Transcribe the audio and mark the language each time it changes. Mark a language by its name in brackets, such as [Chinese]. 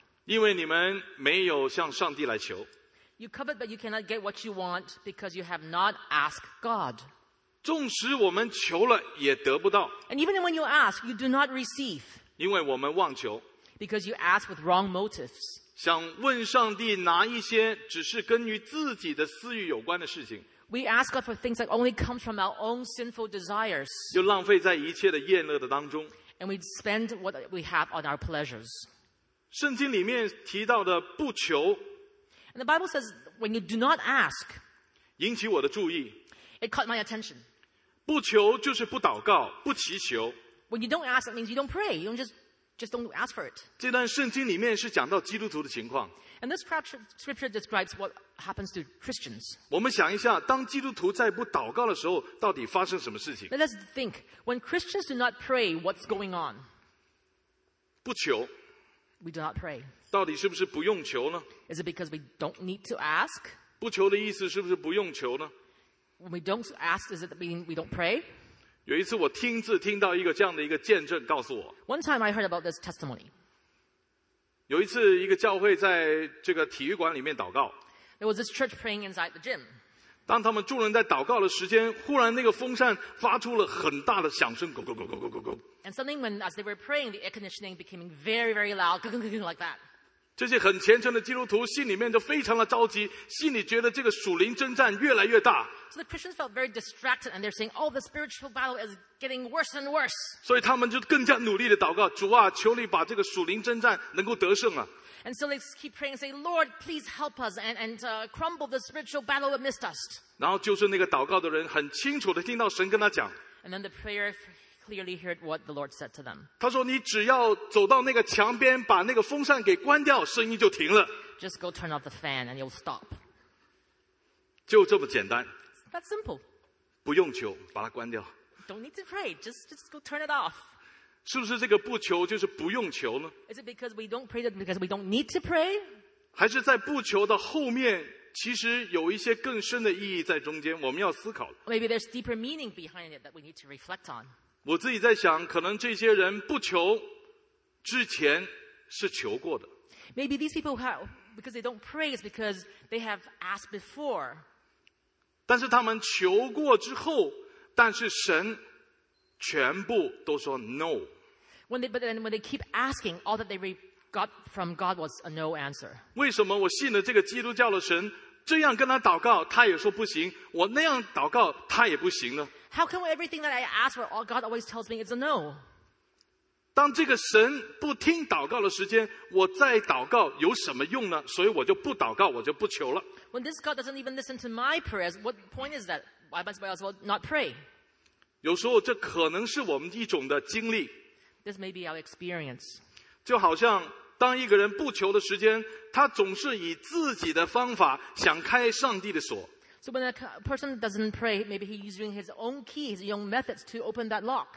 [Chinese] 因为你们没有向上帝来求。 [English] You covet but you cannot get what you want because you have not asked God. [Chinese] 纵使我们求了也得不到。 [English] And even when you ask, you do not receive. [Chinese] 因为我们妄求。 [English] Because you ask with wrong motives. [Chinese] 想问上帝拿一些只是跟于自己的私欲有关的事情。 [English] We ask God for things that only come from our own sinful desires. [Chinese] 又浪费在一切的宴乐的当中。 [English] And we spend what we have on our pleasures. [Chinese] 圣经里面提到的不求 [English] And the Bible says, when you do not ask, [Chinese] 引起我的注意 [English] It caught my attention. [Chinese] 不求就是不祷告，不祈求 [English] When you don't ask, that means you don't pray. You don't just don't ask for it. [Chinese] 这段圣经里面是讲到基督徒的情况 [English] And this scripture describes what happens to Christians. [Chinese] 我们想一下，当基督徒在不祷告的时候，到底发生什么事情 [English] Let us think, when Christians do not pray, what's going on? [Chinese] 不求 [English] We do not pray. [Chinese] 到底是不是不用求呢? [English] Is it because we don't need to ask? [Chinese] 不求的意思是不是不用求呢? [English] When we don't ask, does it mean we don't pray? [Chinese] 有一次我听到一个这样的一个见证告诉我。 [English] One time I heard about this testimony. [Chinese] 有一次，一个教会在这个体育馆里面祷告。 [English] There was this church praying inside the gym. [Chinese] 当他们众人在祷告的时间，忽然那个风扇发出了很大的响声，咕咕咕咕咕咕咕。 [English] And suddenly, when as they were praying, the air conditioning became very, very loud, gung gung gung like that. [Chinese] 这些很虔诚的基督徒心里面就非常的着急，心里觉得这个属灵征战越来越大。 [English] So the Christians felt very distracted, and they're saying, "Oh, the spiritual battle is getting worse and worse." [Chinese] 所以他们就更加努力的祷告，主啊，求你把这个属灵征战能够得胜啊。 [English] And so they keep praying, say, "Lord, please help us and crumble the spiritual battle amidst us." [Chinese] 然后就是那个祷告的人很清楚的听到神跟他讲。 [English] And then the prayer clearly heard what the Lord said to them. [Chinese] 他说：“你只要走到那个墙边，把那个风扇给关掉，声音就停了。 [English] Just go turn off the fan and you'll stop. [Chinese] 就这么简单。 [English] That's simple. [Chinese] 不用求，把它关掉。 [English] Don't need to pray. Just go turn it off. [Chinese] 是不是这个不求就是不用求呢 [English] ？Is it because we don't pray that because we don't need to pray? [Chinese] 还是在不求的后面，其实有一些更深的意义在中间，我们要思考。 [English] Maybe there's deeper meaning behind it that we need to reflect on. [Chinese] 我自己在想，可能这些人不求之前是求过的。 [English] Maybe these people have because they don't pray is because they have asked before. [Chinese] 但是他们求过之后，但是神全部都说 no。 [English] When they keep asking, all that they got from God was a no answer. [Chinese] 为什么我信了这个基督教的神，这样跟他祷告，他也说不行；我那样祷告，他也不行呢 [English] ？How come everything that I ask for, God always tells me it's a no? [Chinese] 当这个神不听祷告的时间，我再祷告有什么用呢？所以我就不祷告，我就不求了。 [English] When this God doesn't even listen to my prayers, what point is that? Why might as well not pray? [Chinese] 有时候这可能是我们一种的经历。 [English] This may be our experience. [Chinese] 就好像当一个人不求的时间，他总是以自己的方法想开上帝的锁。 [English] So when a person doesn't pray, maybe he's using his own key, his own methods to open that lock.